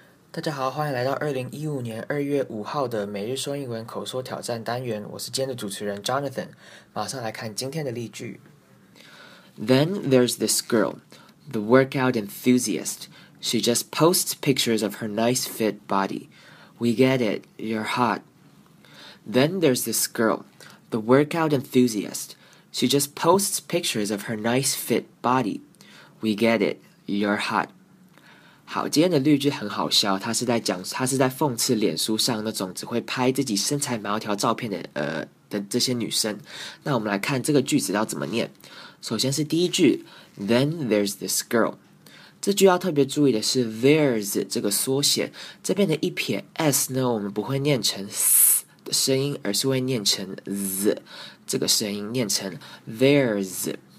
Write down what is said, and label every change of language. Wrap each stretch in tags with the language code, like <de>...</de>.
<zh>大家好，欢迎来到2015年2月5号的每日说英文口说挑战单元。我是今天的主持人 Jonathan。马上来看今天的例句。</zh> <en>Then there's this girl, the workout enthusiast. She just posts pictures of her nice fit body. We get it, you're hot. Then there's this girl, the workout enthusiast. She just posts pictures of her nice fit body. We get it, you're hot.</en> <zh>好，今天的例句很好笑，他是在讽刺脸书上那种只会拍自己身材苗条照片的这些女生。那我们来看这个句子要怎么念。首先是第一句 ，</zh> <en>Then there's this girl。</en> <zh>这句要特别注意的是 there's 这个缩写，这边的一撇 s 呢，我们不会念成 s 的声音，而是会念成 z 这个声音，念成 there's</zh>